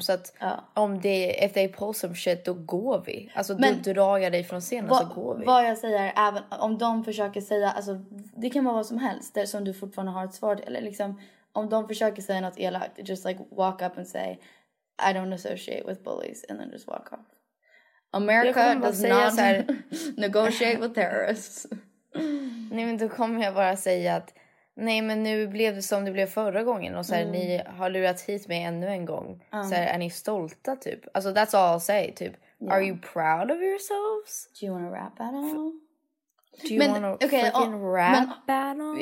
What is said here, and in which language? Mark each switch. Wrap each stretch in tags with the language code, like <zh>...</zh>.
<sv>Så att om det...</sv> <en>If they pull some shit,</en> <sv>då går vi. Alltså, men, då drar jag dig från scenen så går vi. Vad jag säger, även om de försöker säga... Alltså, det kan vara vad som helst. Där som du fortfarande har ett svar till, eller liksom... Om de försöker säga något elakt.</sv> <en>Just like, walk up and say... I don't associate with bullies. And then just walk off. America does not</en> <sv>så här,</sv> <en>negotiate with terrorists.</en> <sv>Nej, men då kommer jag bara säga att nej, men nu blev det som det blev förra gången. Och så här, ni har lurat hit mig ännu en gång. Så här, är ni stolta typ? Alltså,</sv> <en>that's all I'll say</en> <sv>typ. Yeah.</sv> <en>Are you proud of yourselves? Do you want to rap battle? Do you want to freaking rap battle?</en>